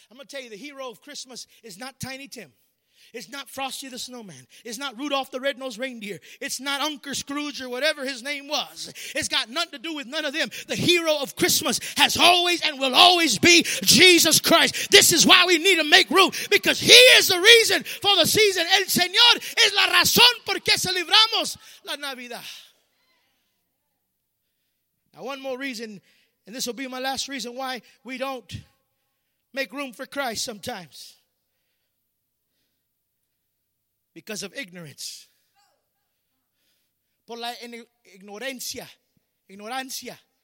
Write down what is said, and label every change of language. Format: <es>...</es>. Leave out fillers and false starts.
<en>I'm going to tell you, the hero of Christmas is not Tiny Tim. It's not Frosty the Snowman. It's not Rudolph the Red-Nosed Reindeer. It's not Uncle Scrooge or whatever his name was. It's got nothing to do with none of them. The hero of Christmas has always and will always be Jesus Christ. This is why we need to make room, because he is the reason for the season.</en> <es>El Señor es la razón por qué celebramos la Navidad.</es> <en>Now, one more reason, and this will be my last reason why we don't make room for Christ sometimes. Because of ignorance.</en> <es>Por la ignorancia. Ignorancia.</es>